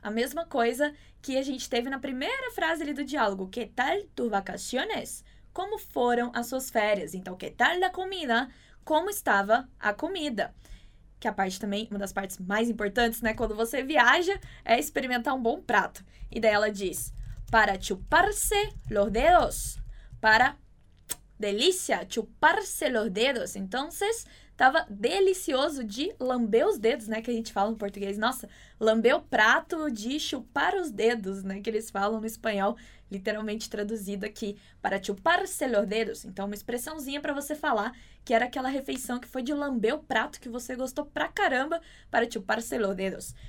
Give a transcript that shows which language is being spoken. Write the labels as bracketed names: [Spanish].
[Portuguese] A mesma coisa que a gente teve na primeira frase ali do diálogo. [Spanish] ¿Qué tal tus vacaciones? [Portuguese] Como foram as suas férias? Então, [Spanish] que tal la comida? [Portuguese] Como estava a comida? Que a parte também, uma das partes mais importantes, né? Quando você viaja, é experimentar um bom prato. E daí ela diz, [Spanish] para chuparse los dedos. Para, delícia, chuparse los dedos. [Portuguese] Então, estava delicioso de lamber os dedos, né? Que a gente fala no português. Nossa, lamber o prato de chupar os dedos, né? Que eles falam no espanhol. Literalmente traduzido aqui, [Spanish] para chuparse los dedos. [Portuguese] Então, uma expressãozinha para você falar que era aquela refeição que foi de lamber o prato que você gostou pra caramba, [Spanish] para chuparse los dedos.